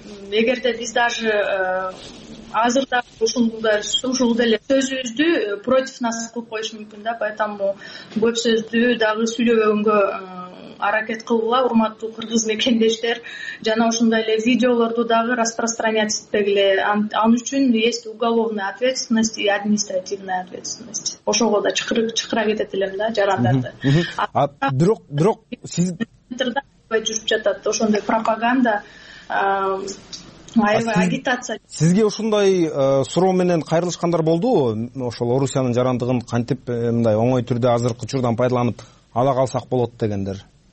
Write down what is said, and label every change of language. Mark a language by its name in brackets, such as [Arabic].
[Kyrgyz] Эгерде биз даже азырда ушул деле сөзүбүздү [Russian] против нас [Kyrgyz] кылып коюшу мүмкүн да, [Russian] поэтому [Kyrgyz] көп сөздү дагы сүйлөбөгөнгө аракет кылгыла, урматтуу кыргыз мекендештер, жана ошондой эле видеолорду дагы [Russian] распространять [Kyrgyz] этпегиле. Ал үчүн [Russian] есть уголовная ответственность и административная ответственность. [Kyrgyz] Ошого да чакыра кетет элем да жарандарды. Бирок сиз жүрүп жатат ошондой пропаганда, аябай агитация. Сизге ушундай суроо менен кайрылышкандар болдубу? Ошол Орусиянын жарандыгын кантип мындай оңой түрдө азыркы учурдан пайдаланып ала калсак болот дегендер?